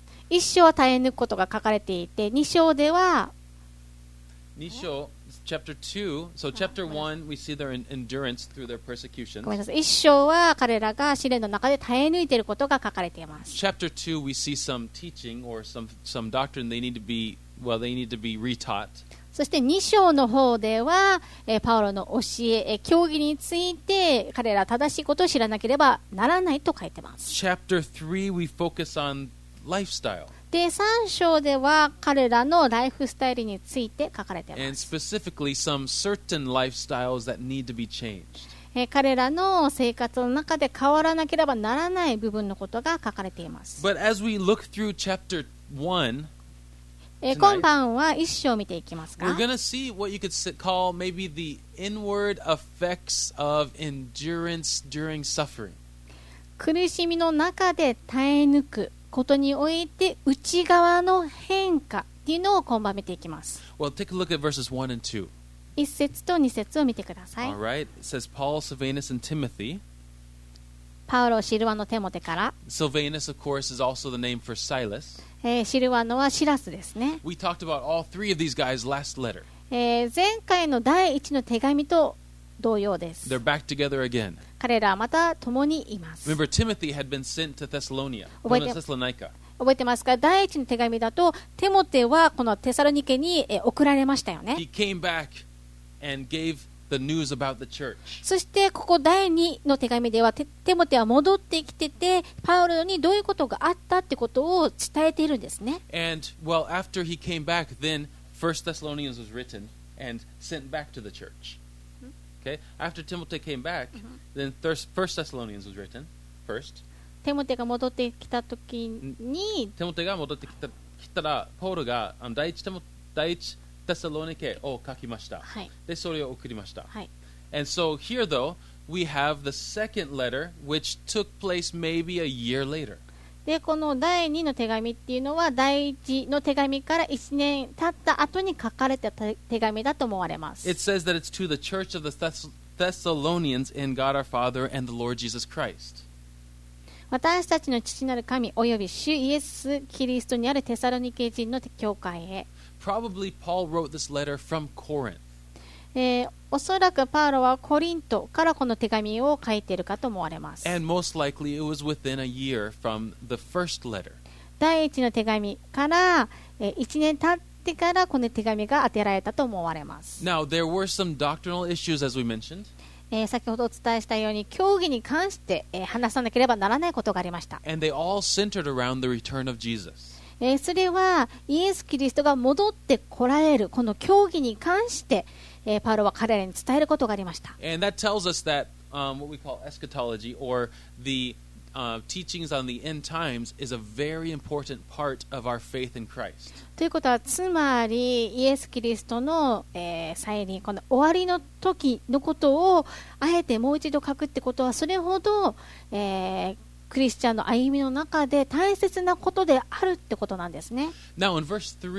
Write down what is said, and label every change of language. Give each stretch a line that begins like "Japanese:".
Japanese: 1章は耐え抜くことが書かれていて、2章では
English: 2章 Chapter 2, so chapter 1, we see their endurance through their persecutions.
Japanese: ごめんなさい。 1章は彼らが試練の中で耐え抜いていることが書かれています。
English: Chapter 2, we see some teaching or some doctrine they need to be retaught.
Japanese: そして2章の方では、パウロの教え、教義について彼ら正しいことを知らなければならないと書いてます。
English: Chapter 3, we focus on lifestyle.
Japanese: で3章では彼らのライフスタイルについて書かれています。
English: And specifically some certain lifestyles that need to be changed.
Japanese: 彼らの生活の中で変わらなければならない部分のことが書かれています。
English: But as we look through chapter 1,
Japanese: tonight, 今晩は1章を見ていきますか。
English: We're going to see what you could call maybe the inward effects of endurance during suffering.
Japanese: 苦しみの中で耐え抜くことにおいて内側の変化っていうのを今晩見ていきます。
English: Well, take a look at verses 1 and 2.
Japanese: 一節と二節を見てください。
English: All right. It says Paul, Silvanus, and Timothy.
Japanese: パウロ、シルワノ、テモテから。
English: Silvanus, of course, is also the name for Silas.
Japanese: シルワノはシラスですね。
English: We talked about all three of these guys last letter.
Japanese: 前回の第一の手紙と同様です。
English: They're back together again.
Japanese: 彼らはまた共にいます。
English: Remember, Timothy had been sent to Thessalonia, from Thessalonica.
Japanese: 覚えてますか？第一の手紙だと、テモテはこのテサロニケに送られましたよね。
English: He came back and gave the news about the church.
Japanese: そしてここ第二の手紙では、テモテは戻ってきてて、パウロにどういうことがあったってことを伝えているんですね。
English: And, well, after he came back, then 1 Thessalonians was written and sent back to the church. Okay. After Timothy came back, then 1 Thessalonians was written first.
Japanese: Timothy が戻ってきた時に、 Timothy が戻ってきた、来たら、ポールが第一テサロニケを書きました。はい。で、それを送りました。はい。
English: And so here though, we have the second letter, which took place maybe a year later.
Japanese: でこの第二の手紙っていうのは第一の手紙から1年経った後に書かれた手紙だと思われます。
English: It says that it's to the church of the Thessalonians in God our Father and the Lord Jesus Christ.
Japanese: 私たちの父なる神および主イエスキリストにあるテサロニケ人の教会へ。
English: Probably Paul wrote this letter from Corinth.
Japanese: おそらくパウロはコリントからこの手紙を書いているかと思われます。
English: And most likely it was within a year from the first letter.
Japanese: 第一の手紙から1年経ってからこの手紙が当てられたと思われます。
English: Now there were some doctrinal issues as we mentioned.
Japanese: 先ほどお伝えしたように教義に関して話さなければならないことがありました。
English: And they all centered around the return of Jesus.
Japanese: それはイエス・キリストが戻ってこられるこの教義に関して、パウロは彼らに伝えることがありました。
English: And that tells us that, what we call eschatology or the, teachings on the end times is a very important part of our faith in Christ.
Japanese: ということはつまりイエス・キリストの、再臨この終わりの時のことをあえてもう一度書くってことはそれほど、クリスチャンの歩みの中で大切なことであるってことなんですね。
English: Now in verse